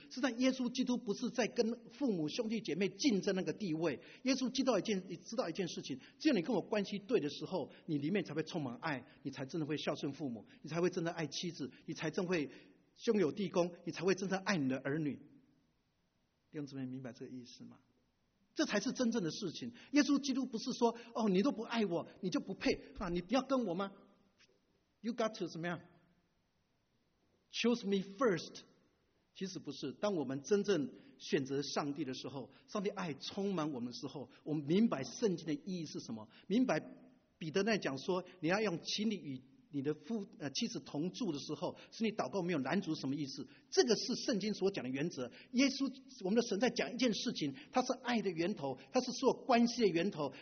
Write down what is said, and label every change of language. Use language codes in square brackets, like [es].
[zh] 实际上耶稣基督不是在跟父母兄弟姐妹竞争那个地位，耶稣基督知道一件事情，只有你跟我关系对的时候，你里面才会充满爱，你才真的会孝顺父母，你才会真的爱妻子，你才真会兄友弟恭，你才会真的爱你的儿女。弟兄姊妹明白这个意思吗？这才是真正的事情。耶稣基督不是说哦，你都不爱我你就不配、啊、你不要跟我吗？ [en] You got to [zh] 怎么样 [en] Choose me first， [zh] 其实不是。当我们真正选择上帝的时候，上帝爱充满我们的时候，我们明白圣经的意义是什么。明白彼得在讲说，你要用情理与你的妻子同住的时候，是你祷告没有拦阻什么意思？这个是圣经所讲的原则。耶稣，我们的神在讲一件事情，他是爱的源头，他是所有关系的源头。